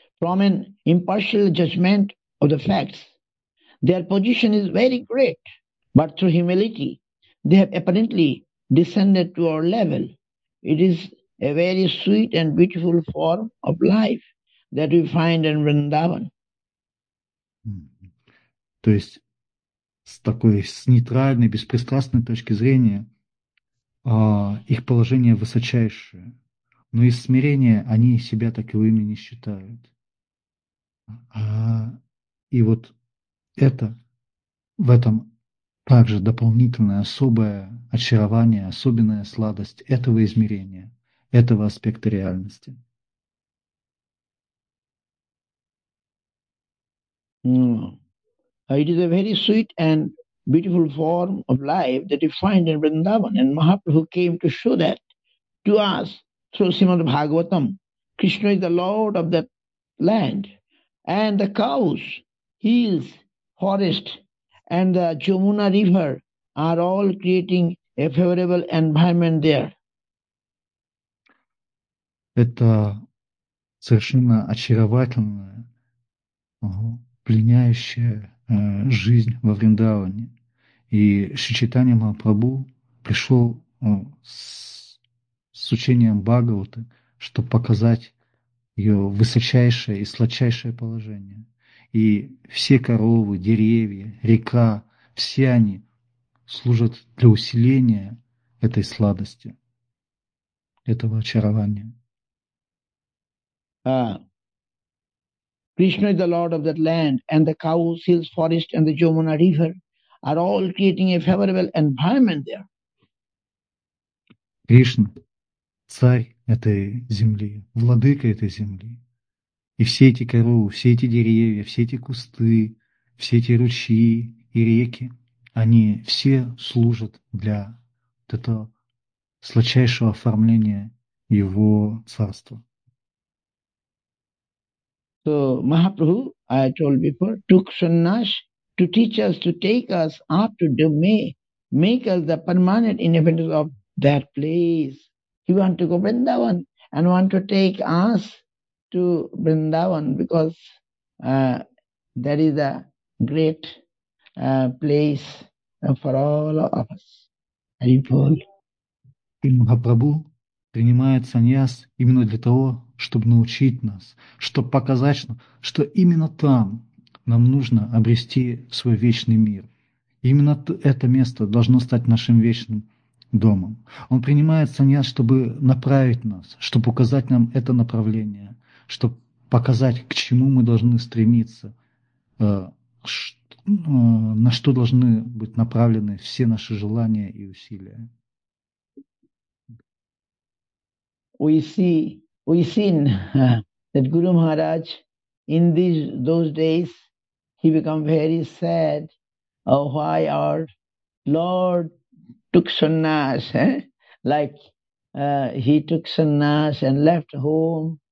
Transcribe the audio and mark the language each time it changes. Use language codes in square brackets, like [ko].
[en] From an impartial judgment of the facts, their position is very great, but through humility, they have apparently descended to our level. It is a very sweet and beautiful form of life that we find in Vrindavan. [ru] То есть, с нейтральной, беспристрастной точки зрения, их положение высочайшее. Но из смирения они себя таковыми не считают. И вот это, в этом также дополнительное особое очарование, особенная сладость этого измерения, этого аспекта реальности. [en] It is a very sweet and beautiful form of life that you find in Vrindavan, and Mahaprabhu came to show that to us through Srimad Bhagavatam. Krishna is the lord of the land and the cows, heels, forest and the Jamuna River are all creating a favorable environment there. [ru] Это совершенно очаровательная, пленяющая жизнь во Вриндаване. И Шри Чайтанья Махапрабху пришел с учением Бхагаваты, чтобы показать ее высочайшее и сладчайшее положение. И все коровы, деревья, река, все они служат для усиления этой сладости, этого очарования. [en] Krishna is the lord of that land, and the cows, hills, forest, and the Jamuna River are all creating a favorable environment there. [ru] Кришна, царь этой земли, владыка этой земли, и все эти коровы, все эти деревья, все эти кусты, все эти ручьи и реки, они все служат для вот этого сладчайшего оформления его царства. [en] So Mahaprabhu, I told before, took sannyas to teach us, to take us up to Dumme, make us the permanent inhabitants of that place. He want to go Vrindavan and want to take us to Vrindavan because that is a great place for all of us. [ru] Mahaprabhu принимает саньяс именно для того, чтобы научить нас, чтобы показать, что именно там нам нужно обрести свой вечный мир. Именно это место должно стать нашим вечным домом. Он принимает саньяс, чтобы направить нас, чтобы указать нам это направление, чтобы показать, к чему мы должны стремиться, на что должны быть направлены все наши желания и усилия. [en] We seen that Guru Maharaj in these those days he become very sad. Oh, why our Lord took sannyas? Like he took sannyas and left home.